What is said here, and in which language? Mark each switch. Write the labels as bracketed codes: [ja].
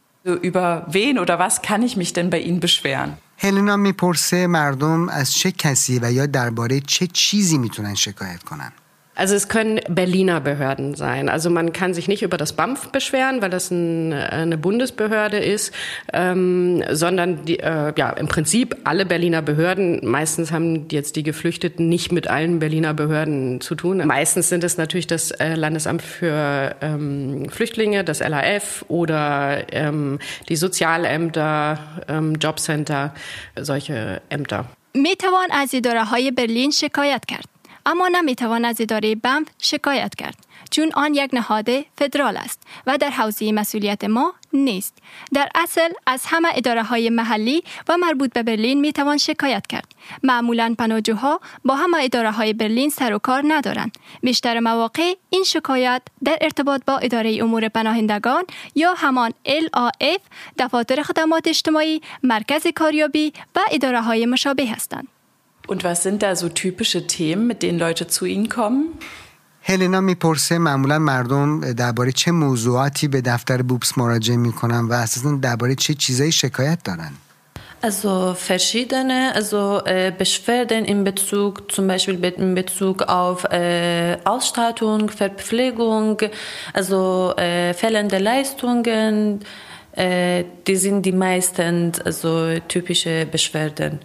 [de] Über wen oder was kann ich mich denn bei Ihnen beschweren? [fa] Helena میپرسه مردم از چه کسی و یا درباره چه چیزی میتونن شکایت کنن؟ [de] Also es können Berliner Behörden sein. Also man kann sich nicht über das BAMF beschweren, weil das eine Bundesbehörde ist, sondern im Prinzip alle Berliner Behörden. Meistens haben jetzt die Geflüchteten nicht mit allen Berliner Behörden zu tun. Meistens sind es natürlich das Landesamt für Flüchtlinge, das LAF oder die Sozialämter, Jobcenter, solche Ämter. [fa] میتوان از اداره‌های برلین شکایت کرد. اما نمیتوان از اداره بمف شکایت کرد چون آن یک نهاد فدرال است و در حوزه مسئولیت ما نیست. در اصل از همه اداره های محلی و مربوط به برلین میتوان شکایت کرد. معمولا پناهجوها با همه اداره های برلین سر و کار ندارند. بیشتر مواقع این شکایت در ارتباط با اداره امور پناهندگان یا همان LAF، دفاتر خدمات اجتماعی، مرکز کاریابی و اداره های مشابه هستند. [de] Und was sind da so typische Themen, mit denen Leute zu Ihnen kommen? [fa] Helena میپرسه معمولا مردم درباره چه موضوعاتی به دفتر بوبس مراجعه میکنن و اساسا درباره چه چیزایی شکایت دارن؟ [de] Also verschiedene, also Beschwerden in Bezug, zum Beispiel in Bezug auf Ausstattung, Verpflegung, also fehlende Leistungen. Die sind die meisten also typische Beschwerden.